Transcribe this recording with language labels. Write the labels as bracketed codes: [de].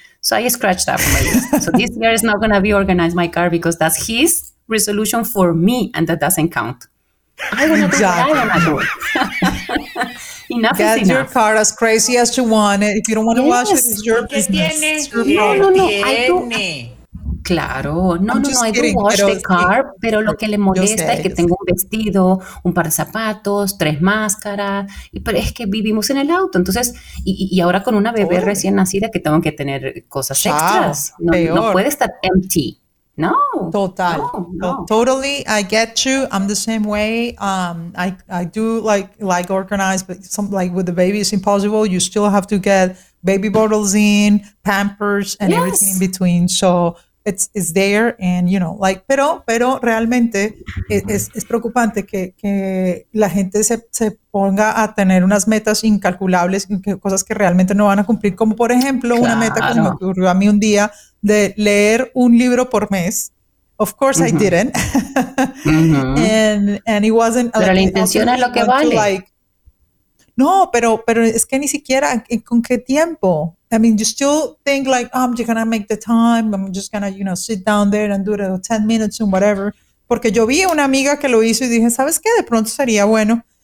[en] So I scratched that from my list. So this year is not going to be organized my car, because that's his resolution for me. And that doesn't count. I want to do what I want to do. Enough get is enough. Get your car as crazy as you want it. If you don't want to wash it, it's your business. No. [es] Claro, [en] I do wash the car, [es] pero lo que le molesta es que tengo un vestido, un par de zapatos, 3 máscaras, pero es que vivimos en el auto, entonces, y ahora con una bebé recién nacida que tengo que tener cosas extras, no puede estar empty, [en] No. Total. No, no. Totally. I get you. I'm the same way. I do like organize, but some, like with the baby, it's impossible. You still have to get baby bottles in, Pampers, and yes, everything in between. So it's there, and you know, like, [es] pero realmente es preocupante que la gente se ponga a tener unas metas incalculables, cosas que realmente no van a cumplir, como por ejemplo, claro, una meta que me ocurrió a mí un día de leer un libro por mes. [en] Of course, uh-huh, I didn't. Uh-huh. And it wasn't. [es] Pero la intención es lo que vale. No, pero es que ni siquiera, ¿con qué tiempo? [en] I mean, you still think like, oh, I'm just going to make the time. I'm just going to, you know, sit down there and do it for 10 minutes and whatever. [es] Porque yo vi a una amiga que lo hizo y dije, ¿sabes qué? De pronto sería bueno.